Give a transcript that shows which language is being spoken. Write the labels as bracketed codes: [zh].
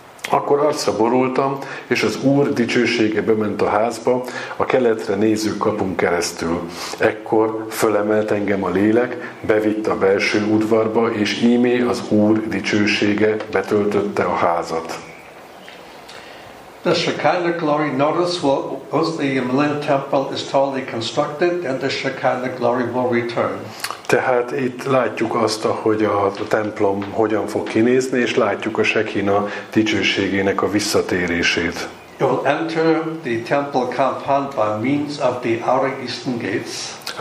[hu] Akkor arcra borultam, és az Úr dicsősége bement a házba, a keletre néző kapunk keresztül. Ekkor fölemelt engem a lélek, bevitt a belső udvarba, és ímé az Úr dicsősége betöltötte a házat. [en] The Shekinah glory, notice, will, as the millennium temple is totally constructed, and the Shekinah glory will return. [hu] Tehát itt látjuk azt, hogy a templom hogyan fog kinézni, és látjuk a Shekina dicsőségének a visszatérését. [en] It will enter the temple compound by means of the outer eastern gates.